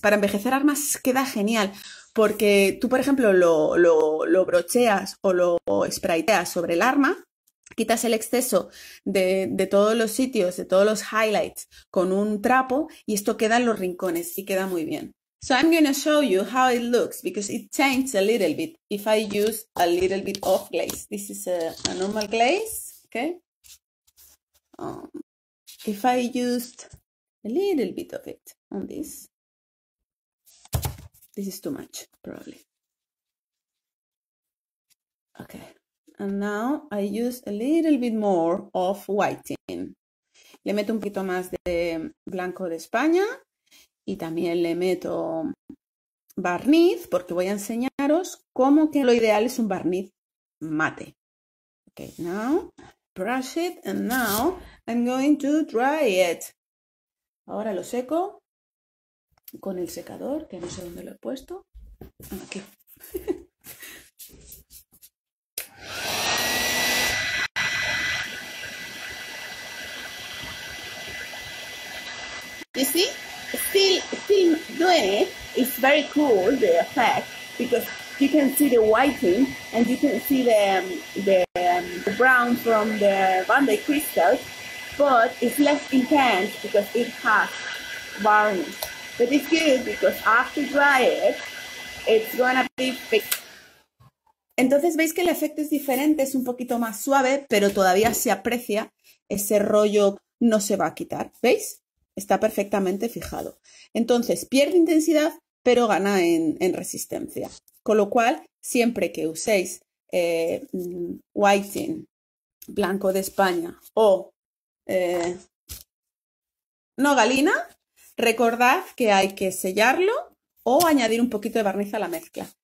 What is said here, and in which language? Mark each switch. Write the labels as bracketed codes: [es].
[es] Para envejecer armas queda genial. Porque tú, por ejemplo, lo brocheas o lo sprayteas sobre el arma, quitas el exceso de todos los sitios, de todos los highlights, con un trapo, y esto queda en los rincones y queda muy bien. [en] So I'm going to show you how it looks, because it changes a little bit if I use a little bit of glaze. This is a normal glaze, okay? If I used a little bit of it on this. This is too much, probably. Okay, and now I use a little bit more of whiting. [es] Le meto un poquito más de blanco de España y también le meto barniz porque voy a enseñaros cómo que lo ideal es un barniz mate. [en] Okay, now brush it and now I'm going to dry it. [es] Ahora lo seco. Con el secador, que no sé dónde lo he puesto. Aquí. [en] You see? Still doing it. It's very cool, the effect, because you can see the whiting and you can see the brown from the vandyke crystals, but it's less intense because it has varnish. But it's good because after dry it, it's gonna be thick. [es] Entonces veis que el efecto es diferente, es un poquito más suave, pero todavía se aprecia ese rollo, no se va a quitar, ¿veis? Está perfectamente fijado. Entonces pierde intensidad, pero gana en resistencia. Con lo cual, siempre que uséis whiting, blanco de España o nogalina, recordad que hay que sellarlo o añadir un poquito de barniz a la mezcla.